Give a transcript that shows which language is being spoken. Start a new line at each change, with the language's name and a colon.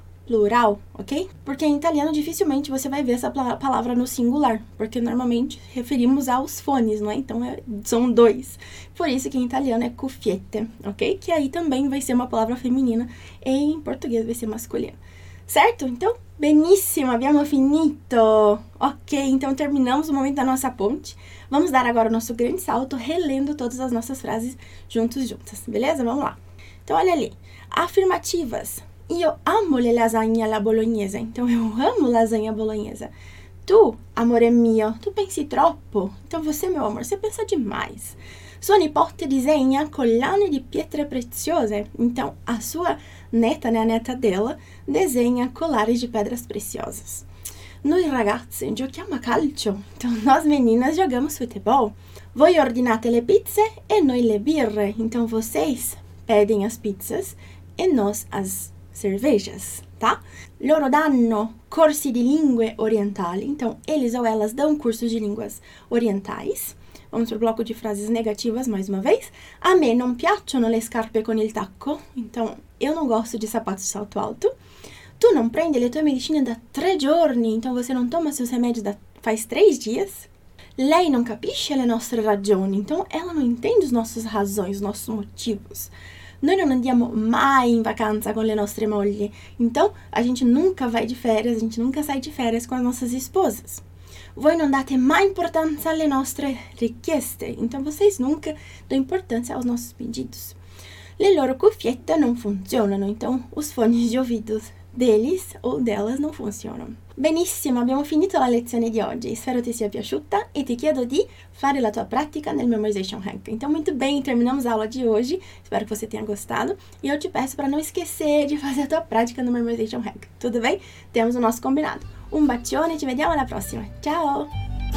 Portuguese: plural, ok? Porque em italiano dificilmente você vai ver essa palavra no singular, porque normalmente referimos aos fones, não é? Então são dois. Por isso que em italiano é cuffiette, ok? Que aí também vai ser uma palavra feminina e em português vai ser masculina. Certo?
Italian: Então, benissimo, abbiamo finito!
Portuguese: Ok, então terminamos o momento da nossa ponte. Vamos dar agora o nosso grande salto, relendo todas as nossas frases juntos, juntas, beleza? Vamos lá. Então, olha ali. Afirmativas.
Italian: Io amo le lasagne alla bolognese. Então, eu amo lasanha bolognese. Tu, amore mio, tu pensi troppo.
Portuguese: Então, você, meu amor, você pensa demais.
Italian: Sua nipote disegna collane di pietre preziose.
Portuguese: Então, a sua neta, né, a neta dela, desenha colares de pedras preciosas.
Italian: Noi ragazze giochiamo a calcio.
Portuguese: Então, nós meninas jogamos futebol.
Italian: Voi ordinate le pizze e noi le birre.
Portuguese: Então, vocês pedem as pizzas e nós as cervejas, tá?
Italian: Loro danno corsi di lingue orientali.
Portuguese: Então, eles ou elas dão cursos de línguas orientais. Vamos para o bloco de frases negativas mais uma vez.
Italian: A me non piacciono le scarpe con il tacco.
Portuguese: Então, eu não gosto de sapatos de salto alto.
Italian: Tu non prendi le tue medicine da 3 giorni.
Portuguese: Então, você não toma seus remédios faz 3 dias.
Italian: Lei non capisce le nostre ragioni.
Portuguese: Então, ela não entende os nossos razões, os nossos motivos.
Italian: Noi non andiamo mai in vacanza con le nostre mogli.
Portuguese: Então, a gente nunca vai de férias, a gente nunca sai de férias com as nossas esposas.
Italian: Voi non date mai importanza alle nostre richieste.
Portuguese: Então, vocês nunca dão importância aos nossos pedidos.
Italian: Le loro cuffiette non funzionano.
Portuguese: Então, os fones de ouvidos deles ou delas não funcionam.
Italian: Benissimo, abbiamo finito la lezione di oggi. Spero ti sia piaciuta e ti chiedo di fare la tua pratica nel Memorization Hack.
Portuguese: Então, muito bem, terminamos a aula de hoje. Espero que você tenha gostado. E eu te peço para não esquecer de fazer a tua prática no Memorization Hack. Tudo bem? Temos o nosso combinado. Un bacione, ci vediamo alla prossima. Ciao!